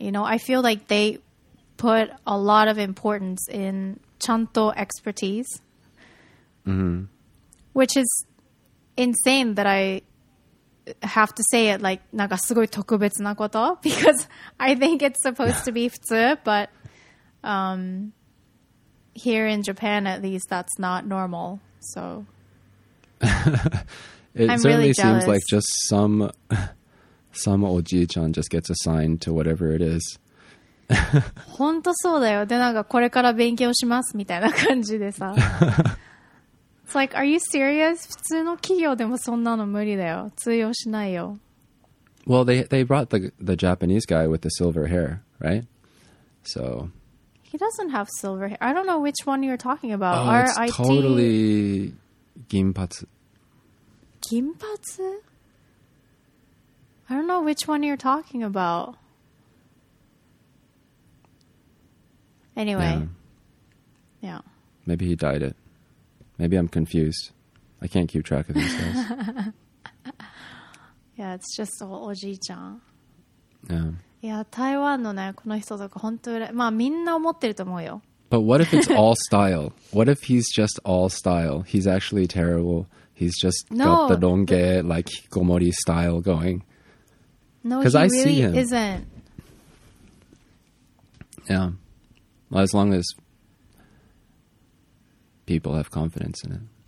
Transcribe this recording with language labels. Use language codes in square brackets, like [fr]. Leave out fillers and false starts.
[en] You know, I feel like they put a lot of importance in chanto expertise, which is insane that I have to say it like [ja] なんかすごい特別なこと [en] because I think it's supposed to be 普通, but. Here in Japan, at least, that's not normal. So, it I'm certainly really seems like just some oji-chan just gets assigned to whatever it is. [ja] 本当そうだよ。で、なんかこれから勉強しますみたいな感じでさ。 It's like, are you serious? 普通の企業でもそんなの無理だよ。通用しないよ。 [en] Well, they brought the Japanese guy with the silver hair, right? So. He doesn't have silver hair. I don't know which one you're talking about. Oh, it's totally Gimpatsu. Gimpatsu? I don't know which one you're talking about. Anyway. Yeah. Maybe he dyed it. Maybe I'm confused. I can't keep track of these guys. Yeah, it's just all oji-chan. Yeah. [ja] いや、台湾のね、この人とか本当に、まあみんな思ってると思うよ。 [en] But what if it's all style? What if he's just all style? He's actually terrible. He's just got the ロン毛, like hikikomori style going. No, he really isn't. Yeah. Well, as long as people have confidence in it.